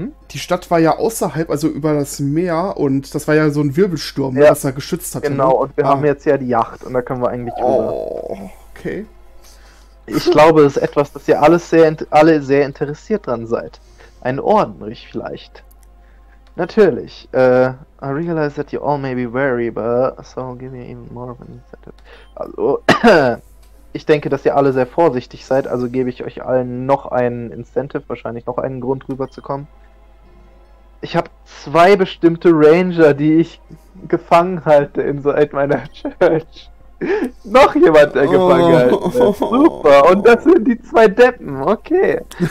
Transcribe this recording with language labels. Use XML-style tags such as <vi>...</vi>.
<de>Die Stadt war ja außerhalb, also über das Meer, und das war ja so ein Wirbelsturm, ne, Ja, was er geschützt hatte, genau. ne? Und wir haben Ah. jetzt ja die Yacht und da können wir eigentlich rüber. Oh, okay. Ich glaube, es ist etwas, das ihr alle sehr interessiert dran seid. Ein Orden vielleicht. Natürlich.</de> <en>I realize that you all may be wary, but so give me even more of an incentive. Also,</en> <de>Ich denke, dass ihr alle sehr vorsichtig seid, also gebe ich euch allen noch einen Incentive, wahrscheinlich noch einen Grund rüberzukommen. Ich habe zwei bestimmte Ranger, die ich gefangen halte</de> <en>inside</en> <de>meiner Church. Noch jemand, der gefangen gehalten wird. Super, und das sind die zwei Deppen, okay.</de>